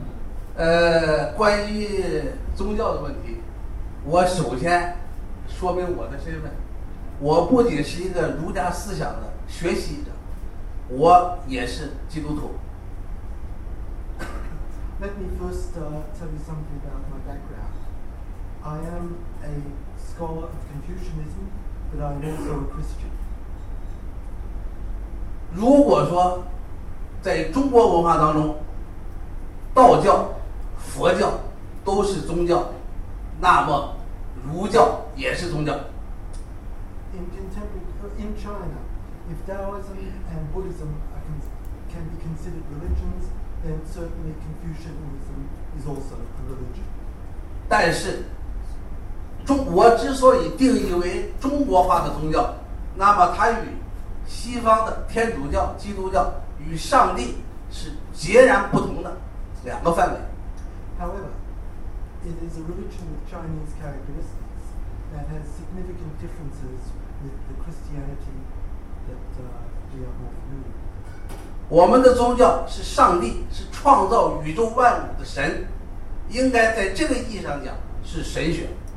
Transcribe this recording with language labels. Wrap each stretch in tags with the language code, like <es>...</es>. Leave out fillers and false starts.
<zh>关于宗教的问题，我首先说明我的身份。我不仅是一个儒家思想的学习者，我也是基督徒。</zh> <en>Let me first tell you something about my background. I am a scholar of Confucianism, but I'm also a Christian.</en> <zh>如果说在中国文化当中，道教、佛教都是宗教，那么儒教也是宗教。</zh> <en>In China, if Taoism and Buddhism can be considered religions, then certainly Confucianism is also a religion.</en> <zh>但是，我之所以定义为中国化的宗教，那么它与西方的天主教、基督教与上帝是截然不同的两个范围。</zh> <en>However, it is a religion with Chinese characteristics that has significant differences with the Christianity that we are more familiar with.</en> <zh>我们的宗教是上帝，是创造宇宙万物的神，应该在这个意义上讲是神学。</zh>